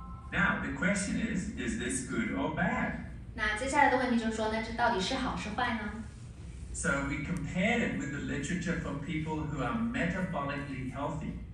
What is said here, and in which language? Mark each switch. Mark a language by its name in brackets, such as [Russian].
[English] Now the question is this good or bad? [Chinese] 那接下来的问题就是说呢，这到底是好是坏呢？ [English] So we compared it with the literature for people who are metabolically healthy.